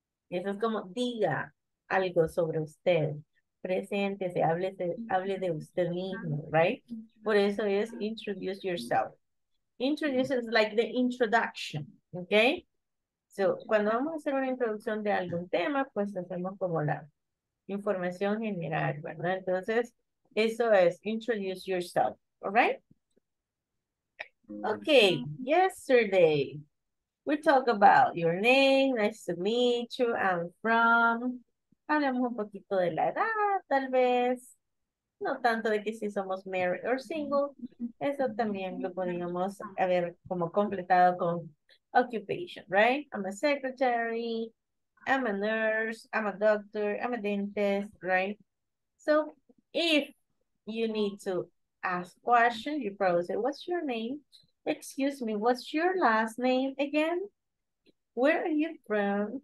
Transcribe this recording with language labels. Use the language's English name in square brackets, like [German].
[Spanish] Eso es como diga algo sobre usted. Preséntese, hable de usted mismo, right? Por eso es [English] introduce yourself. Introduce is like the introduction, okay? [Spanish] So, cuando vamos a hacer una introducción de algún tema, pues hacemos como la información general, ¿verdad? Entonces, eso es [English] introduce yourself, all right? Okay, yesterday, we talked about your name, nice to meet you, I'm from. [Spanish] Hablamos un poquito de la edad, tal vez. No tanto de que si somos [English] married or single. [Spanish] Eso también lo podríamos haber como completado con occupation, right? [English] I'm a secretary, I'm a nurse, I'm a doctor, I'm a dentist, right? So if you need to ask questions, you probably say, what's your name? Excuse me, what's your last name again? Where are you from?